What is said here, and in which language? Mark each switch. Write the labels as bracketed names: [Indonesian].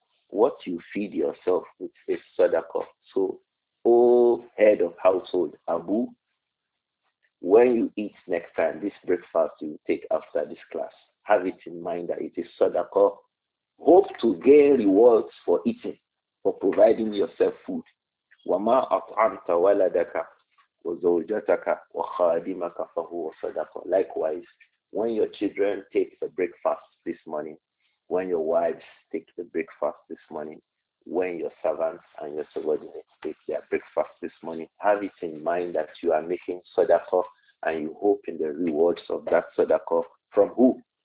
[English] What you feed yourself with is sadaqa. So, O head of household, Abu, when you eat next time, this breakfast you take after this class, have it in mind that it is sadaqa. Hope to gain rewards for eating, for providing yourself food. [Arabic] وما أطعمت ولدك وزوجتك وخادمك فهو صدقة. [English] Likewise, when your children take the breakfast this morning, when your wives take the breakfast this morning, when your servants and your subordinates take their breakfast this morning, have it in mind that you are making sadaqah and you hope in the rewards of that sadaqah from who?